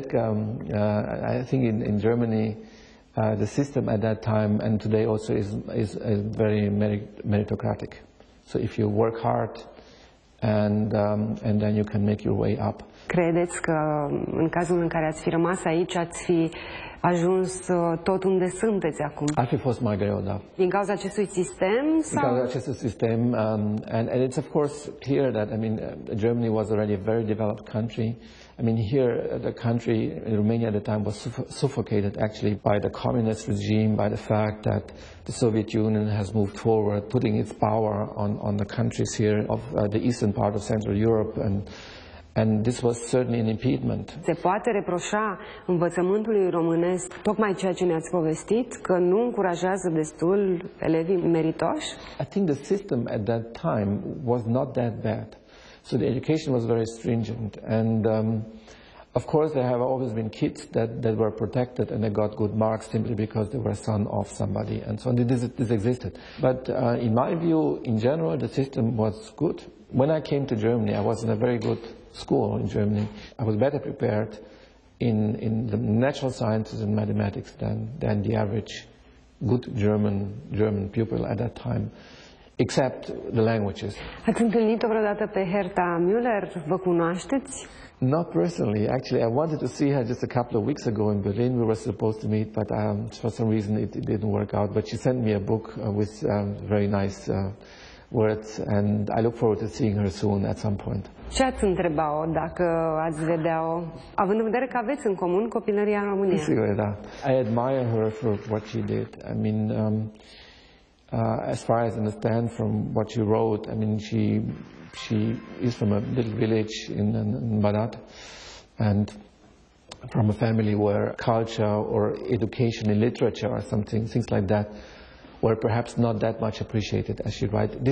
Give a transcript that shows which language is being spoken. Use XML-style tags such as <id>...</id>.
<en>I think in Germany, the system at that time and today also is very meritocratic. So if you work hard, and then you can make your way up.</en> <ro>Credeți că în cazul în care ați fi rămas aici, ați fi ajuns tot unde sunteți acum? Ar fi fost mai greu, da. Din cauza acestui sistem? Din cauza acestui sistem.</ro> <en>And it's of course clear that, I mean, Germany was already a very developed country. I mean, here the country, in Romania at the time, was suffocated actually by the communist regime, by the fact that the Soviet Union has moved forward, putting its power on the countries here of the eastern part of Central Europe, and this was certainly an impediment.</en> <ro>Se poate reproșa învățământului românesc tocmai ceea ce ne-ați povestit, că nu încurajează destul elevii meritoși?</ro> <en>I think the system at that time was not that bad. So the education was very stringent, and of course there have always been kids that were protected and they got good marks simply because they were son of somebody, and so this existed. But in my view, in general, the system was good. When I came to Germany, I was in a very good school in Germany. I was better prepared in the natural sciences and mathematics than the average good German pupil at that time. Except the languages.</en> <ro>Ați întâlnit-o vreodată pe Hertha Müller? Vă cunoașteți?</ro> <en>Not personally. Actually, I wanted to see her just a couple of weeks ago in Berlin. We were supposed to meet, but for some reason it didn't work out. But she sent me a book with very nice words, and I look forward to seeing her soon at some point.</en> <ro>Ce ați întreba-o dacă ați vedea-o, având în vedere că aveți în comun copilăria în România? Sigur, da.</ro> <en>I admire her for what she did. I mean, as far as I understand from what she wrote, I mean, she is from a little village in Banat, and from a family where culture or education in literature or something, things like that, were perhaps not that much appreciated as she writes.</en>